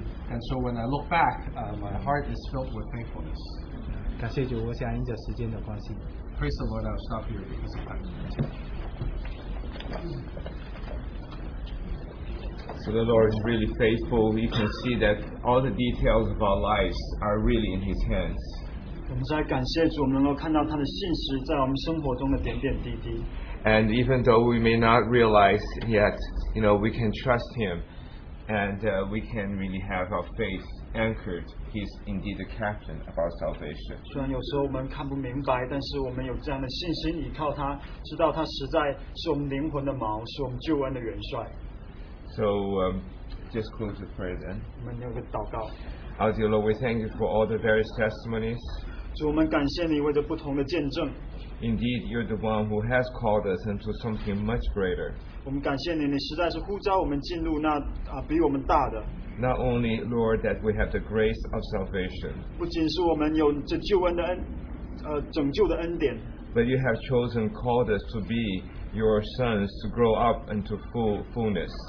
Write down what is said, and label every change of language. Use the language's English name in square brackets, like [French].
[English] And so when I look back, my heart is filled with thankfulness. [Chinese] 感谢主，我想因着时间的关系。 [English] Praise the Lord, I'll stop here because of time. So the Lord is really faithful. You can see that all the details of our lives are really in His hands. [Chinese] 我们在感谢主，我们能够看到他的信实在我们生活中的点点滴滴。 [English] And even though we may not realize yet, you know, we can trust Him, and we can really have our faith anchored. He's indeed the captain of our salvation. [Chinese] 虽然有时候我们看不明白，但是我们有这样的信心依靠他，知道他实在是我们灵魂的锚，是我们救恩的元帅。 [English] So, just close with prayer then. [Chinese] 我们有个祷告。 [English] Our dear Lord, we thank you for all the various testimonies. [Chinese] 主，我们感谢你为着不同的见证。 [English] indeed you're the one who has called us into something much greater. Not only, Lord, that we have the grace of salvation, but you have chosen, called us to be your sons, to grow up into fullness.